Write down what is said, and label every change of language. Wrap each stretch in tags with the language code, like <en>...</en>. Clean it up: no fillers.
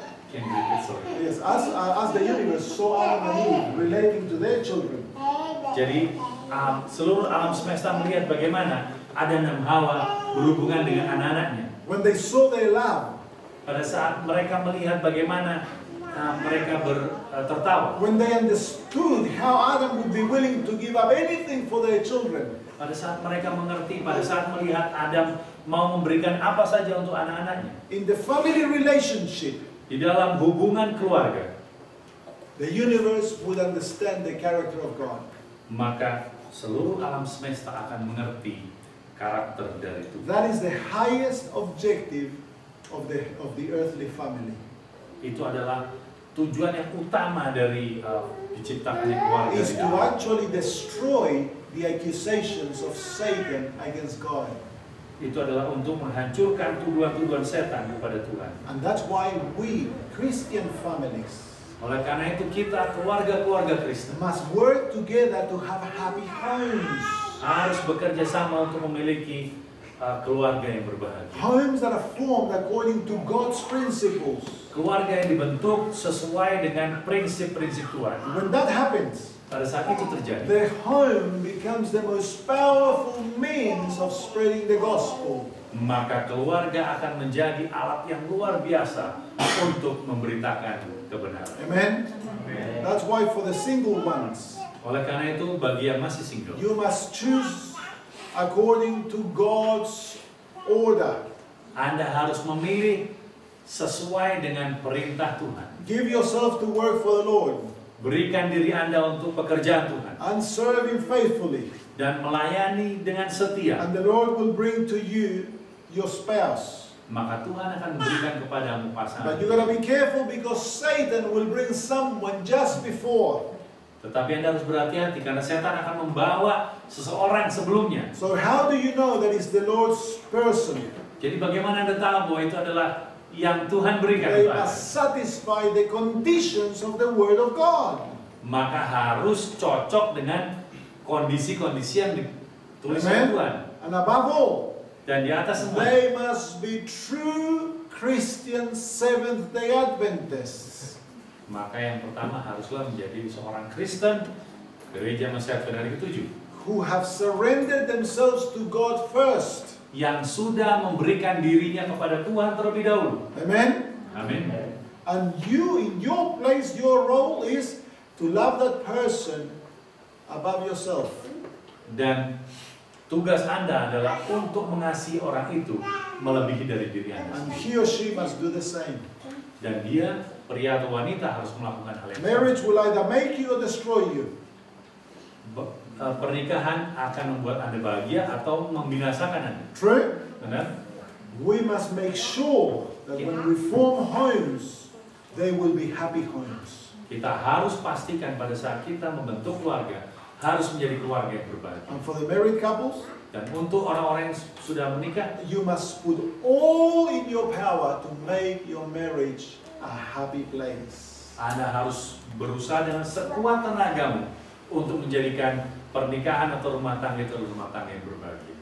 <en>Yes, as the universe saw Adam and Eve relating to their children.</en> <id>Jadi seluruh alam semesta melihat bagaimana Adam dan Hawa berhubungan dengan anak-anaknya.</id> <en>When they saw their love.</en> <id>Pada saat mereka melihat bagaimana mereka tertawa.</id> <en>When they understood how Adam would be willing to give up anything for their children.</en> <id>Pada saat mereka mengerti, pada saat melihat Adam mau memberikan apa saja untuk anak-anaknya.</id> <en>In the family relationship.</en> <id>Di dalam hubungan keluarga.</id> <en>The universe would understand the character of God.</en> <id>Maka seluruh alam semesta akan mengerti karakter dari Tuhan.</id> <en>That is the highest objective of the earthly family.</en> <id>Itu adalah tujuan yang utama dari diciptakannya keluarga.</id> <en>Is to actually destroy the accusations of Satan against God.</en> <id>Itu adalah untuk menghancurkan tuduhan-tuduhan setan kepada Tuhan.</id> <en>And that's why we Christian families.</en> <id>Oleh karena itu kita keluarga-keluarga Kristen</id> <en>must work together to have happy homes.</en> <id>Harus bekerja sama untuk memiliki keluarga yang berbahagia.</id> <en>Homes that are formed according to God's principles.</en> <id>Keluarga yang dibentuk sesuai dengan prinsip-prinsip Tuhan.</id> <en>When that happens,</en> <id>pada saat itu terjadi,</id> <en>the home becomes the most powerful means of spreading the gospel.</en> <id>Maka keluarga akan menjadi alat yang luar biasa untuk memberitakan kebenaran.</id> <en>Amen. Amen. That's why for the single ones.</en> <id>Oleh karena itu bagi yang masih single.</id> <en>You must choose according to God's order.</en> <id>Anda harus memilih sesuai dengan perintah Tuhan.</id> <en>Give yourself to work for the Lord.</en> <id>Berikan diri Anda untuk pekerjaan Tuhan.</id> <en>And serve Him faithfully.</en> <id>Dan melayani dengan setia.</id> <en>And the Lord will bring to you your spouse.</en> <id>Maka Tuhan akan memberikan kepadamu pasangan.</id> <en>But you gotta be careful because Satan will bring someone just before.</en> <id>Tetapi Anda harus berhati-hati karena setan akan membawa seseorang sebelumnya.</id> <en>So how do you know that is the Lord's person?</en> <id>Jadi bagaimana Anda tahu bahwa itu adalah yang Tuhan berikan?</id> <en>They must satisfy the conditions of the Word of God.</en> <id>Maka harus cocok dengan kondisi-kondisi yang ditulis oleh Tuhan.</id> <en>And above all,</en> <id>dan di atas semua,</id> <en>they must be true Christian Seventh Day Adventists.</en> <id>Maka yang pertama haruslah menjadi seorang Kristen Gereja Mesias Benar Ketujuh.</id> <en>Who have surrendered themselves to God first.</en> <id>Yang sudah memberikan dirinya kepada Tuhan terlebih dahulu. Amen. Amen.</id> <en>And you in your place, your role is to love that person above yourself.</en> <id>Dan tugas Anda adalah untuk mengasihi orang itu melebihi dari diri Anda.</id> <en>And he or she must do the same.</en> <id>Dan dia, pria atau wanita harus melakukan hal itu.</id> <en>Marriage will either make you or destroy you.</en> <id>Pernikahan akan membuat Anda bahagia atau membinasakan Anda.</id> <en>True.</en> <id>Benar?</id> <en>We must make sure that when we form homes, they will be happy homes.</en> <id>Kita harus pastikan pada saat kita membentuk keluarga, harus menjadi keluarga yang berbahagia.</id> <en>And for the married couples,</en> <id>dan untuk orang-orang yang sudah menikah,</id> <en>you must put all in your power to make your marriage a happy place.</en> <id>Anda harus berusaha dengan sekuat tenagamu untuk menjadikan pernikahan atau rumah tangga itu rumah tangga yang berbahagia.</id>